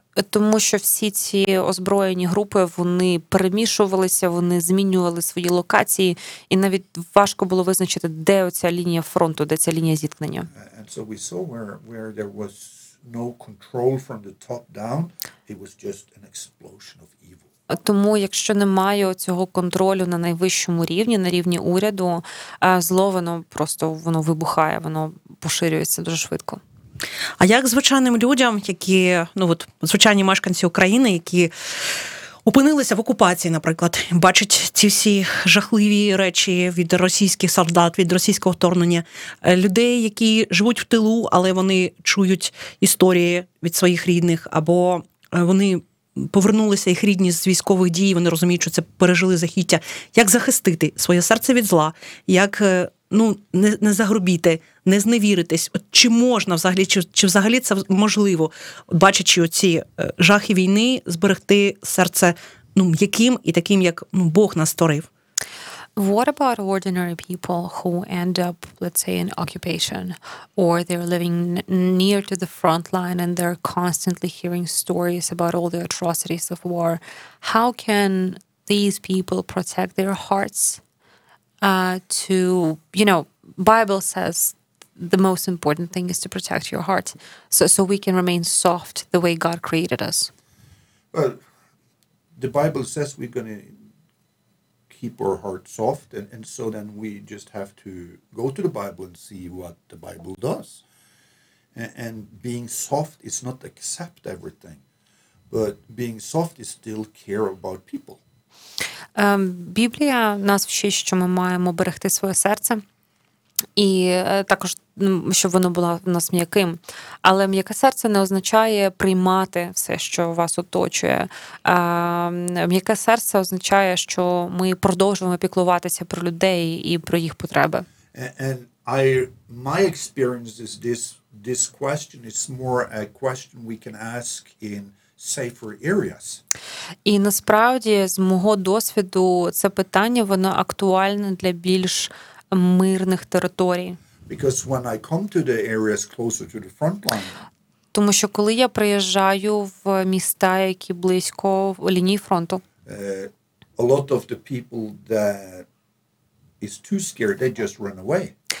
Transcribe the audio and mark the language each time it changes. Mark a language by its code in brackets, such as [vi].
[uk] Тому що всі ці озброєні групи, вони перемішувалися, вони змінювали свої локації, і навіть важко було визначити, де оця лінія фронту, де ця лінія зіткнення. [en] So we saw where there was no control from the top down, it was just an explosion of evil. [uk] Тому якщо немає цього контролю на найвищому рівні, на рівні уряду, зло воно просто воно вибухає, воно поширюється дуже швидко. А як звичайним людям, які, ну от, звичайні мешканці України, які опинилися в окупації, наприклад, бачать ці всі жахливі речі від російських солдат, від російського вторгнення, людей, які живуть в тилу, але вони чують історії від своїх рідних, або вони повернулися, їх рідні з військових дій, вони розуміють, що це пережили захиття. Як захистити своє серце від зла? Як, ну, не загрубіти, не зневіритись? От чи можна взагалі, чи взагалі це можливо, бачачи оці жахи війни, зберегти серце, ну, м'яким і таким, як, ну, Бог нас створив? [en] What about ordinary people who end up, let's say, in occupation, or they're living near to the front line and they're constantly hearing stories about all the atrocities of war? How can these people protect their hearts? To, you know, Bible says the most important thing is to protect your heart, so we can remain soft the way God created us. Well, the Bible says we're going to keep our heart soft, and so then we just have to go to the Bible and see what the Bible does. And being soft is not accept everything, but being soft is still care about people. [uk] Біблія нас вчить, що ми маємо берегти своє серце, і також, щоб воно було в нас м'яким. Але м'яке серце не означає приймати все, що вас оточує. М'яке серце означає, що ми продовжуємо піклуватися про людей і про їх потреби. [en] And I, my experience is this question is more a question we can ask in safer areas. [uk] І насправді, з мого досвіду, це питання, воно актуальне для більш мирних територій. [en] Because when I come to the areas closer to the front line. [uk] Тому що коли я приїжджаю в міста, які близько лінії фронту. [en] A lot of the people that is too scared, they just run away.